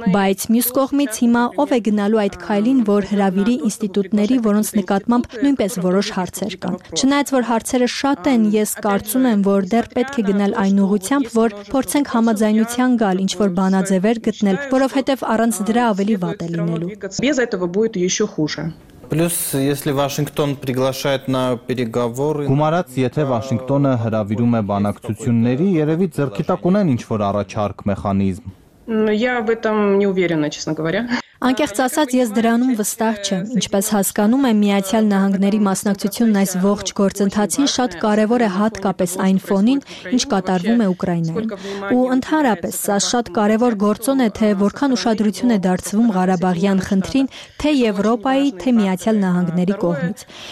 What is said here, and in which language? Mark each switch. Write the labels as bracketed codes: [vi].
[hy] Բայց մյուս կողմից հիմա ով է գնալու այդ քայլին, որ հրավիրի ինստիտուտների, որոնց նկատմամբ նույնպես որոշ հարցեր կան։ Չնայած որ հարցերը շատ են, ես կարծում եմ, որ դեռ պետք է գնալ այն ուղությամբ, որ փորձենք համաձայնության գալ, ինչ որ բանաձևեր գտնել, որովհետև առանց դրա ավելի վատ է լինելու։ [ru] Без этого будет ещё хуже. Плюс, если Вашингтон приглашает на переговоры, [hy] Գումարած, եթե Վաշինգտոնը հրավիրում է բանակցությունների, երևի ձեռքի տակ ունեն ինչ որ առաջարկ մեխանիզմ։ [ru] Я в этом не уверена, честно говоря. [hy] Անկեղծ ասած, ես դրանում վստահ չեմ։ Ինչպես հասկանում եմ, Միացյալ Նահանգների մասնակցությունն այս ողջ գործընթացին շատ կարևոր է, հատկապես այն ֆոնին, ինչ կատարվում է Ուկրաինայում։ Ու ընդհանրապես, սա շատ կարևոր գործոն է, թե որքան ուշադրություն է դարձվում Ղարաբաղյան խնդրին, թե Եվրոպայի, թե Միացյալ Նահանգների կողմից։